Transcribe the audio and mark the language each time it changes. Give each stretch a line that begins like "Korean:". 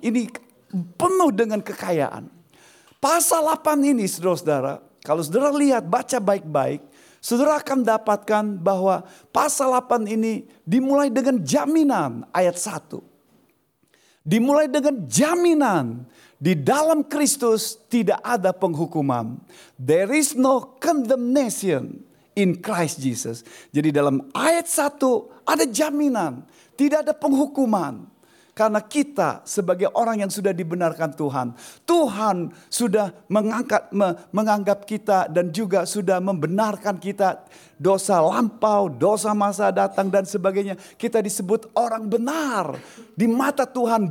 Indonesian: Ini penuh dengan kekayaan. Pasal 8 ini saudara-saudara, kalau saudara lihat, baca baik-baik, saudara akan dapatkan bahwa pasal 8 ini dimulai dengan jaminan ayat 1. Dimulai dengan jaminan, di dalam Kristus tidak ada penghukuman.
English: There is no condemnation in Christ Jesus.
Indonesian: Jadi dalam ayat 1 ada jaminan, tidak ada penghukuman. Karena kita sebagai orang yang sudah dibenarkan Tuhan. Tuhan sudah menganggap kita dan juga sudah membenarkan kita. Dosa lampau, dosa masa datang dan sebagainya. Kita disebut orang benar di mata Tuhan.